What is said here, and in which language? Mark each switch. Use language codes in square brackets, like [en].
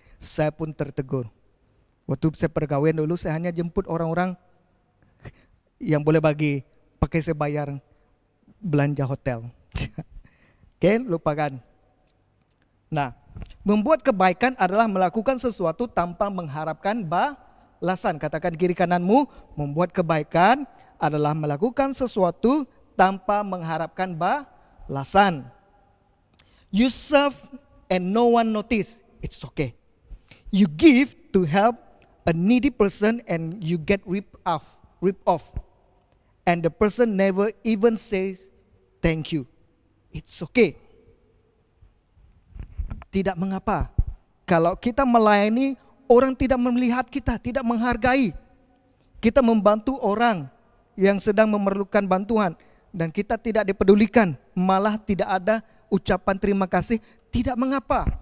[id] Saya pun tertegur. Waktu saya pergawean dulu, saya hanya jemput orang-orang yang boleh bagi, pakai saya bayar belanja hotel. Oke, lupakan. Nah, membuat kebaikan adalah melakukan sesuatu tanpa mengharapkan balasan. Katakan kiri kananmu, membuat kebaikan adalah melakukan sesuatu tanpa mengharapkan balasan. [en] You serve and no one notice, it's okay. You give to help a needy person and you get ripped off. And the person never even says thank you. It's okay. [id] Tidak mengapa. Kalau kita melayani, orang tidak melihat kita, tidak menghargai. Kita membantu orang yang sedang memerlukan bantuan. Dan kita tidak dipedulikan. Malah tidak ada ucapan terima kasih. Tidak mengapa.